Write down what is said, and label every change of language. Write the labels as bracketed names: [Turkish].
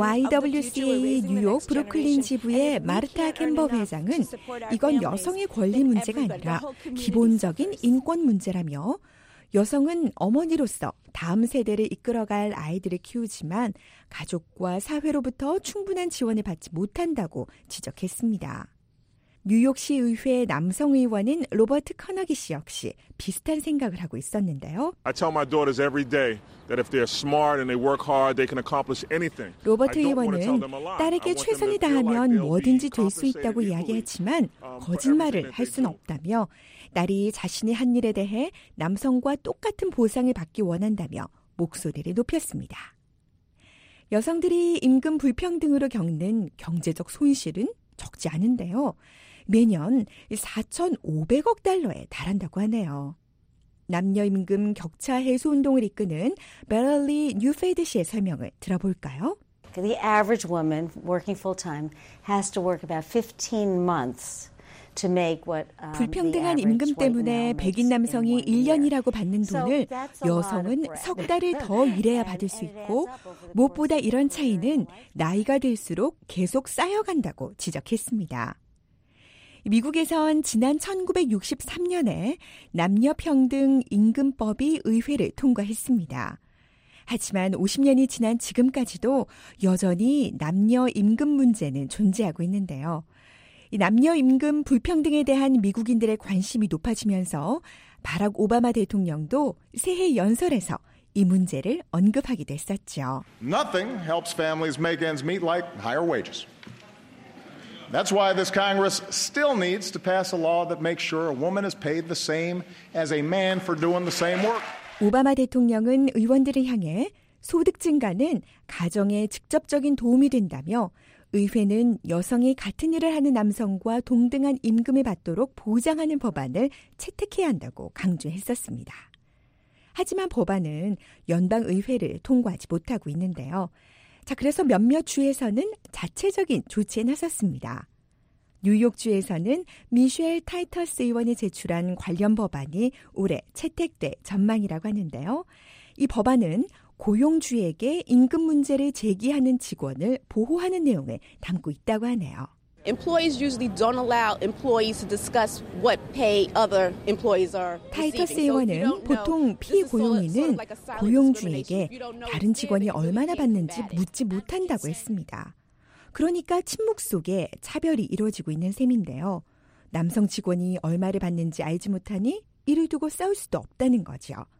[Korean] YWCA 뉴욕 브루클린 지부의 마르타 캠버 회장은 이건 여성의 권리 문제가 아니라 기본적인 인권 문제라며 여성은 어머니로서 다음 세대를 이끌어갈 아이들을 키우지만 가족과 사회로부터 충분한 지원을 받지 못한다고 지적했습니다. 뉴욕시 의회 남성 의원인 로버트 커너기 씨 역시 비슷한 생각을 하고 있었는데요. [English] I tell my daughters every day that if they're smart and they work hard, they can accomplish anything. [Korean] 로버트 의원은 딸에게 최선을 다하면 뭐든지 될 수 있다고 이야기했지만 거짓말을 할 수는 없다며 딸이 자신이 한 일에 대해 남성과 똑같은 보상을 받기 원한다며 목소리를 높였습니다. 여성들이 임금 불평등으로 겪는 경제적 손실은 적지 않은데요. 매년 4,500억 달러에 달한다고 하네요. 남녀임금 격차 해소 운동을 이끄는 베럴리 뉴페이드 씨의 설명을 들어볼까요? [English] The average woman working full-time has to work about 15 months. [Korean] 불평등한 임금 때문에 백인 남성이 1년이라고 받는 돈을 여성은 석 달을 더 일해야 받을 수 있고 무엇보다 이런 차이는 나이가 들수록 계속 쌓여간다고 지적했습니다. 미국에선 지난 1963년에 남녀평등 임금법이 의회를 통과했습니다. 하지만 50년이 지난 지금까지도 여전히 남녀 임금 문제는 존재하고 있는데요. 남녀 임금 불평등에 대한 미국인들의 관심이 높아지면서 바락 오바마 대통령도 새해 연설에서 이 문제를 언급하기도 했었죠. [English] Nothing helps families make ends meet like higher wages. That's why this Congress still needs to pass a law that makes sure a woman is paid the same as a man for doing the same work. [Korean] 오바마 대통령은 의원들을 향해 소득 증가는 가정에 직접적인 도움이 된다며 의회는 여성이 같은 일을 하는 남성과 동등한 임금을 받도록 보장하는 법안을 채택해야 한다고 강조했었습니다. 하지만 법안은 연방의회를 통과하지 못하고 있는데요. 자, 그래서 몇몇 주에서는 자체적인 조치에 나섰습니다. 뉴욕주에서는 미셸 타이터스 의원이 제출한 관련 법안이 올해 채택될 전망이라고 하는데요. 이 법안은 고용주에게 임금 문제를 제기하는 직원을 보호하는 내용을 담고 있다고 하네요. [English] Employees usually don't allow employees to discuss what pay other employees are receiving. [Korean] 타이터스 의원은 보통 피고용인은 고용주에게 다른 직원이 얼마나 받는지 묻지 못한다고 했습니다. 그러니까 침묵 속에 차별이 이루어지고 있는 셈인데요. 남성 직원이 얼마를 받는지 알지 못하니 이를 두고 싸울 수도 없다는 거죠.